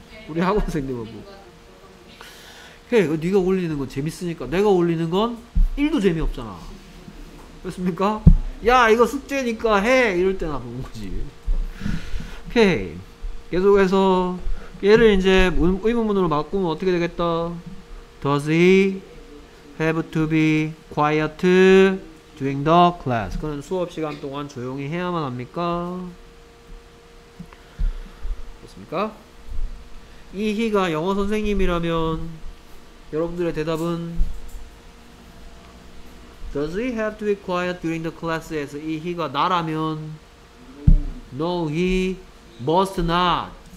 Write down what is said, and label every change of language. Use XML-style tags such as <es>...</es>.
<ko>우리 학원생들만 보고. 그래, 네가 올리는 건 재밌으니까 내가 올리는 건 1도 재미없잖아. 그렇습니까? 야, 이거 숙제니까 해! 이럴 때나 보는 거지. 오케이. 계속해서 얘를 이제 의문문으로 바꾸면 어떻게 되겠다?</ko> <en>Does he have to be quiet during the class?</en> <ko>그는 수업 시간 동안 조용히 해야만 합니까? 그렇습니까? 이 희가 영어 선생님이라면 여러분들의 대답은</ko> <en>Does he have to be quiet during the class</en> <ko>에서 이 he가 나라면</ko> <en>No, he must not.</en>